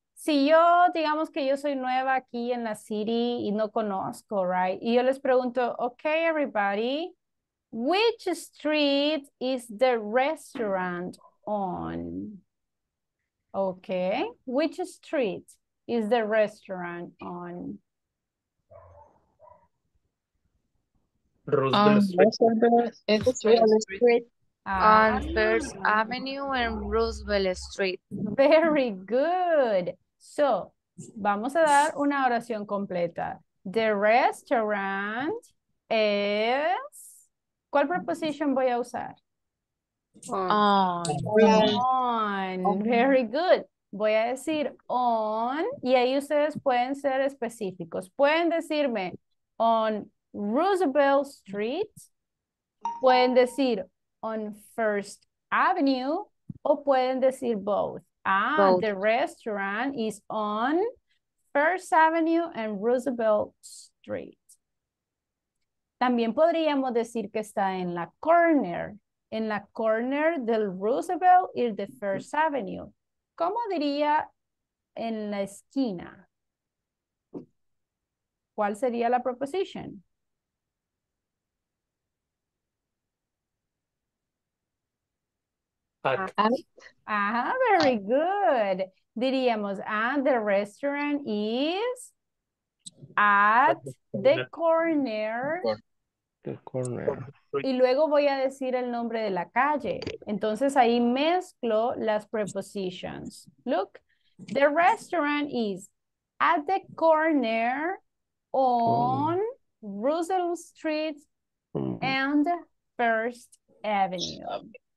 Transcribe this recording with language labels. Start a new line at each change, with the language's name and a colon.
Spanish: si yo, digamos que yo soy nueva aquí en la city y no conozco, right? Y yo les pregunto,
English: okay, everybody, which street is the restaurant on? Okay, which street is the restaurant on? On First Avenue and Roosevelt Street. Very good. So,
Spanish: vamos a dar una oración completa.
English: The restaurant is...
Spanish: ¿Cuál preposición voy a usar?
English: On. Very good.
Spanish: Voy a decir on y ahí ustedes pueden ser específicos. Pueden decirme on Roosevelt Street, pueden decir on First Avenue, o pueden decir both.
English: Ah, both. The restaurant is on First Avenue and Roosevelt Street.
Spanish: También podríamos decir que está en la corner del Roosevelt y de First Avenue. ¿Cómo diría en la esquina? ¿Cuál sería la preposición?
English: At. Ah, very good.
Spanish: Diríamos,
English: and the restaurant is at the corner. The corner.
Spanish: Y luego voy a decir el nombre de la calle. Entonces ahí mezclo las prepositions.
English: Look, the restaurant is at the corner on Roosevelt Street and First Avenue.